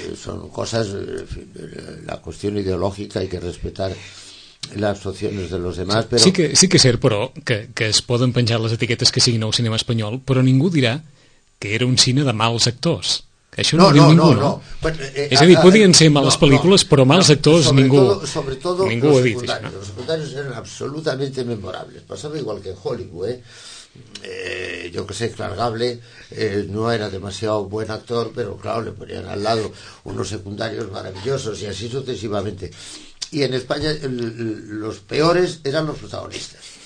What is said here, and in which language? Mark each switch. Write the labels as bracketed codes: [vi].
[es] Son cosas, la cuestión ideológica, hay que respetar las opciones de los demás, pero... [ca] Sí que ser, però, que es poden penjar les etiquetes que siguin al cinema espanyol, però ningú dirà que era un cine de mals actors. Això no, no ho diu ningú, no? És a dir, podien ser males pel·lícules, però mals actors sobre ningú, [es] sobre todo, [ca] ningú ho ha dit. [es] Los secundarios eren absolutamente memorables. Pasaba igual que en Hollywood, Yo que sé, Clark Gable no era demasiado buen actor, pero claro, le ponían al lado unos secundarios maravillosos y así sucesivamente. Y en España los peores eran los protagonistas.